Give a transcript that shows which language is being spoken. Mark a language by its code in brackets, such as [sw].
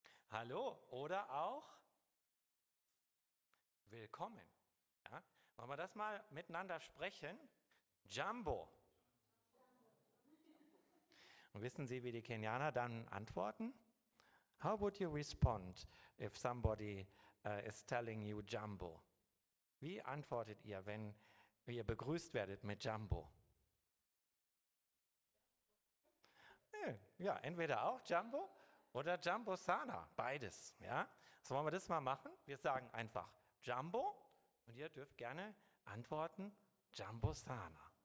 [de] Hallo. Oder auch willkommen. Ja? Wollen wir das mal miteinander sprechen? Jumbo. Und wissen Sie, wie die Kenianer dann antworten? [en] How would you respond if somebody is telling you Jumbo? [de] Wie antwortet ihr, wenn ihr begrüßt werdet mit Jumbo? Ja, entweder auch Jumbo oder Jumbo Sana, beides. Ja? So wollen wir das mal machen. Wir sagen einfach Jumbo und ihr dürft gerne antworten Jumbo Sana.